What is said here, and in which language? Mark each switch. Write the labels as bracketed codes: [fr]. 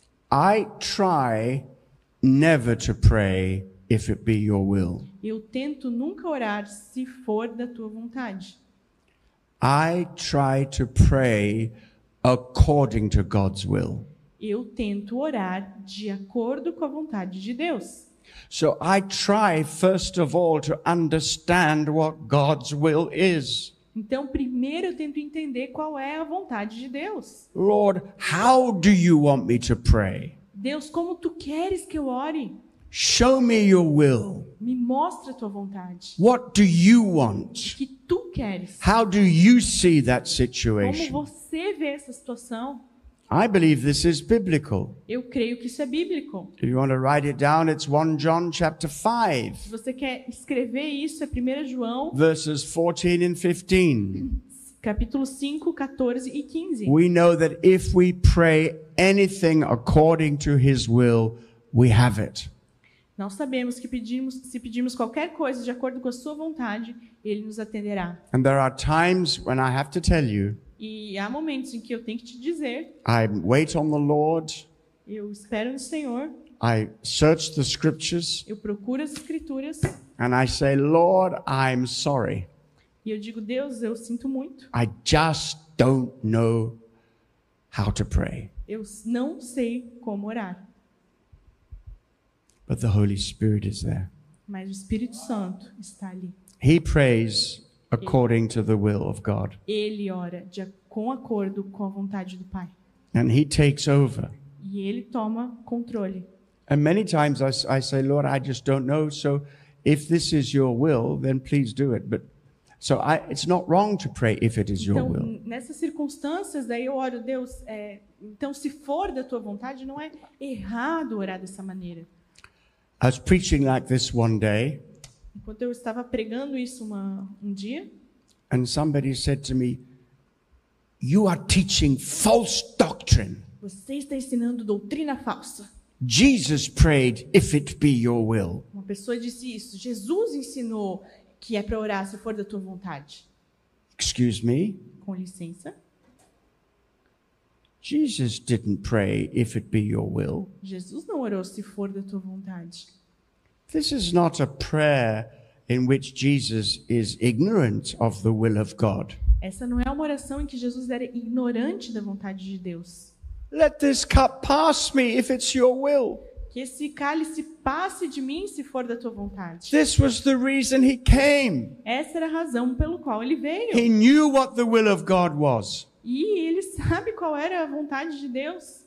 [en] I try never to pray if it be your will. [pt] Eu tento nunca orar se for da tua vontade. [en] I try to pray according to God's will. [pt] Eu tento orar de acordo com a vontade de Deus. [en] So I try first of all to understand what God's will is. [pt] Então, primeiro eu tento entender qual é a vontade de Deus. [en] Lord, how do you want me to pray? [pt] Deus, como tu queres que eu ore? [en] Show me your will. [pt] Me mostra a tua vontade. [en] What do you want? [pt] O que tu queres? [en] How do you see that situation? [pt] Como você vê essa situação? [en] I believe this is biblical. [pt] Eu creio que isso é bíblico. [en] If you want to write it down, it's 1 John chapter 5. [pt] Se você quer escrever isso, é 1 João. [en] Verses 14 and 15. [pt] Capítulo 5, 14 e 15. [en] We know that if we pray anything according to his will, we have it. [pt] Nós sabemos que se pedirmos qualquer coisa de acordo com a sua vontade, ele nos atenderá. [en] And there are times when I have to tell you. [pt] E há momentos em que eu tenho que te dizer. [en] I wait on the Lord. [pt] Eu espero no Senhor. [en] I search the scriptures. [pt] Eu procuro as escrituras. [en] And I say, Lord, I'm sorry. [pt] E eu digo, Deus, eu sinto muito. [en] I just don't know how to pray. [pt] Eu não sei como orar. [en] But the Holy Spirit is there. [pt] Mas o Espírito Santo está ali. [en] He prays according to the will of God. [pt] Ele ora de acordo com a vontade do Pai. [en] And he takes over. [pt] E ele toma controle. [en] And many times I say, Lord, I just don't know. So if this is your will, then please do it. But so it's not wrong to pray if it is your will. [pt] Então, nessas circunstâncias, daí eu oro, Deus, então se for da tua vontade, não é errado orar dessa maneira. [en] I was preaching like this one day. [pt] Enquanto eu estava pregando isso um dia. [en] And somebody said to me, you are teaching false doctrine. [pt] Você está ensinando doutrina falsa. [en] Jesus prayed, if it be your will. [pt] Uma pessoa disse isso. Jesus ensinou que é para orar se for da tua vontade. [en] Excuse me. [pt] Com licença. [en] Jesus didn't pray, if it be your will. [pt] Jesus não orou se for da tua vontade. [en] This is not a prayer in which Jesus is ignorant of the will of God. [pt] Essa não é uma oração em que Jesus era ignorante da vontade de Deus. [en] Let this cup pass me if it's your will. [pt] Que esse cálice passe de mim se for da tua vontade. [en] This was the reason he came. [pt] Essa era a razão pelo qual ele veio. [en] He knew what the will of God was. [pt] E ele sabe qual era a vontade de Deus.